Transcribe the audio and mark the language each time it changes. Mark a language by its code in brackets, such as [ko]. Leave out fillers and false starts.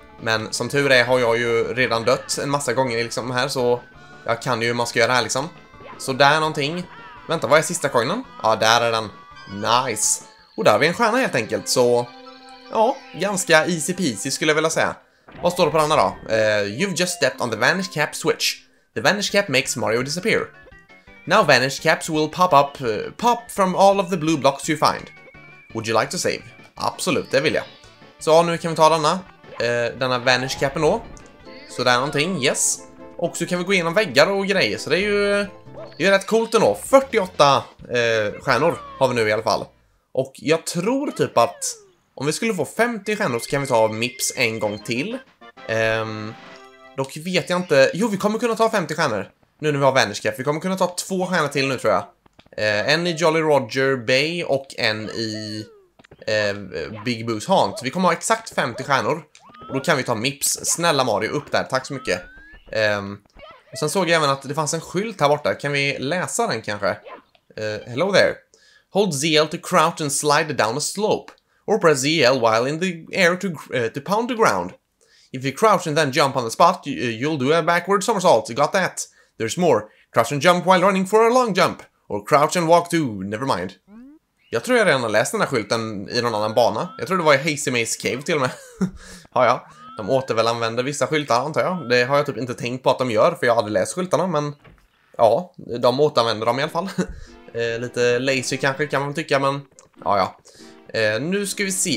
[sv] Men som tur är har jag ju redan dött en massa gånger liksom här, så jag kan ju hur man ska göra här liksom. Så där någonting. Vänta, vad är sista coinen? Ja, där är den. Nice. Och där har vi en stjärna helt enkelt, så... ja, ganska [en] easy peasy [sv] skulle jag vilja säga. Vad står det på den här då? [en] You've just stepped on the Vanish Cap switch. The Vanish Cap makes Mario disappear. Now Vanish Caps will pop from all of the blue blocks you find. Would you like to save? [sv] Absolut, det vill jag. Så ja, nu kan vi ta denna Vanish Capen då. Så där någonting, yes. Och så kan vi gå igenom väggar och grejer, så det är ju rätt coolt ändå. 48 stjärnor har vi nu i alla fall. Och jag tror typ att... om vi skulle få 50 stjärnor så kan vi ta Mips en gång till. Dock vet jag inte... jo, vi kommer kunna ta 50 stjärnor. Nu när vi har Vanish Cap. Vi kommer kunna ta två stjärnor till nu, tror jag. En i Jolly Roger Bay och en i Big Boo's Haunt. Vi kommer ha exakt 50 stjärnor. Och då kan vi ta Mips. Snälla Mario, upp där. Tack så mycket. Och sen såg jag även att det fanns en skylt här borta. Kan vi läsa den kanske? [en] Hello there. Hold ZL to crouch and slide down a slope. Or press ZL while in the air to pound the ground. If you crouch and then jump on the spot, you'll do a backward somersault. You got that? There's more. Crouch and jump while running for a long jump. Or crouch and walk too. Never mind. [sv] Jag tror jag redan har läst den här skylten i någon annan bana. Jag tror det var i Hazy Maze Cave till och med. Ja. De återväl använder vissa skyltar, antar jag. Det har jag typ inte tänkt på att de gör, för jag hade läst skyltarna, men... Ja, de återanvänder dem i alla fall. Lite lazy kanske kan man tycka, men... Ja. Nu ska vi se.